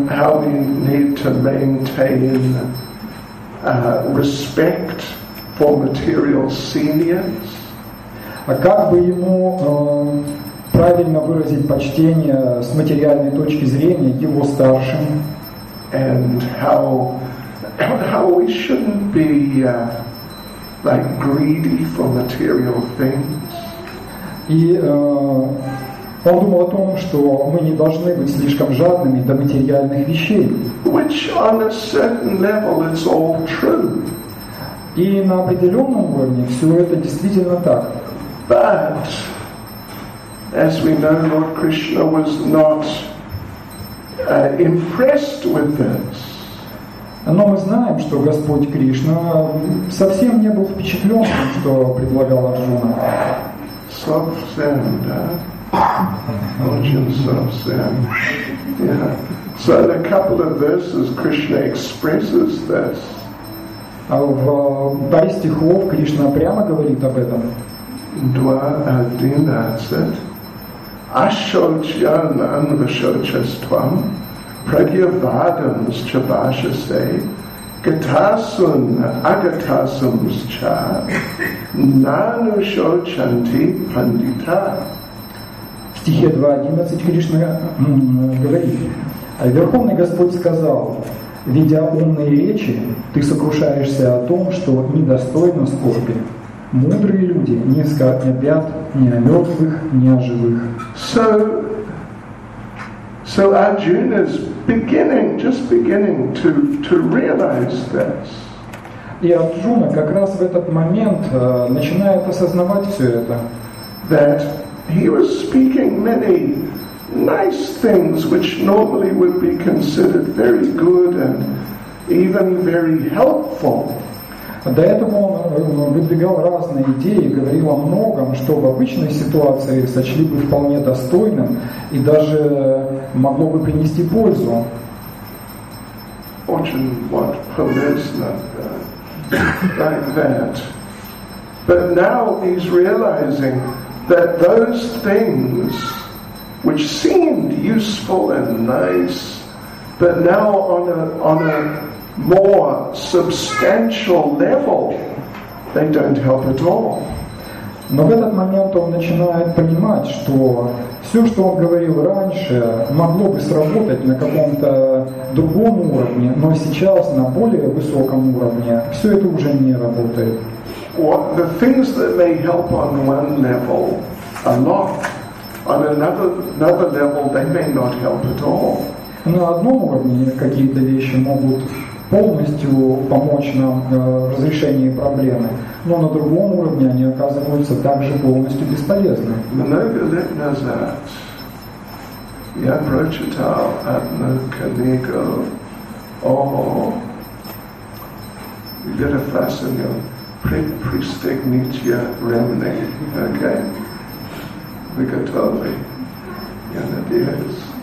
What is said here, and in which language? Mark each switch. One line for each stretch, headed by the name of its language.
English: How we need to maintain respect for material seniors.
Russian: А как бы ему правильно выразить почтение с материальной точки зрения его старшим?
English: And how we shouldn't be like greedy for material things.
Russian: И он думал о том, что мы не должны быть слишком жадными до материальных вещей.
English: Which on a certain level it's all true.
Russian: И на определенном уровне все это действительно так.
English: But, as we know, Lord Krishna was not impressed with this.
Russian: Но мы знаем, что Господь Кришна совсем не был впечатлен тем, что предлагал Арджуна. Совсем, да? Очень совсем.
English: So in a couple of verses, Krishna expresses this.
Russian: В паре стихов Кришна прямо говорит об этом.
Sanskrit: 2.11 Ашочьян анвашочаствам прагьявадамсча башасе гатасун агатасамсча нанушочанти пандита.
Russian: В стихе 2.11 Кришна говорит: Верховный Господь сказал, видя умные речи, ты сокрушаешься о том, что недостойно скорби. Мудрые люди не скорбят ни о мертвых, ни о живых.
English: So Arjuna is beginning to realize this.
Russian: И Арджуна как раз в этот момент начинает осознавать все это.
English: That he was speaking many nice things, which normally would be considered very good and even very helpful.
Russian: До этого он выдвигал разные идеи, говорил о многом, что в обычной ситуации сочли бы вполне достойным и даже могло бы принести пользу. Очень вот полезно, да,
English: like that. But now he's realizing that those things which seemed useful and nice, but now on a more substantial level, they don't help at all.
Russian: Но в этот момент он начинает понимать, что все, что он говорил раньше, могло бы сработать на каком-то другом уровне, но сейчас на более высоком уровне все это уже не работает.
English: What the things that may help on one level a lot, on another level they may not help at all.
Russian: На одном уровне какие-то вещи могут полностью помочь нам в разрешении проблемы, но на другом уровне они оказываются также полностью бесполезны. Много лет назад я прочитал одну книгу о Верифасанью Пристегнитья Ремни. Окей. Вы готовы? Я надеюсь.